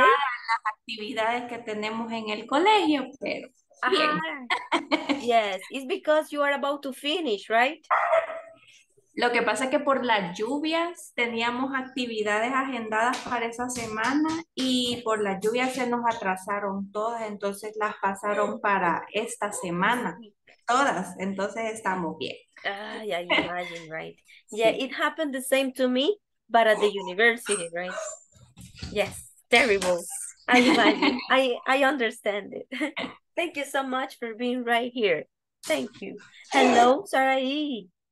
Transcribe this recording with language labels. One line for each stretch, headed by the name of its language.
Spanish: comenzaron las actividades que tenemos en el colegio, pero Ah, bien.
English: yes, it's because you are about to finish, right?
Spanish: Lo que pasa es que por las lluvias teníamos actividades agendadas para esa semana y por las lluvias se nos atrasaron todas, entonces las pasaron para esta semana, todas, entonces estamos bien.
English: Ah, yeah, imagine, right? Yeah,
Spanish: Sí.
English: it happened the same to me, but at the university, right? Yes, terrible. I imagine. I understand it. Thank you so much for being right here. Thank you. Hello, Sarai.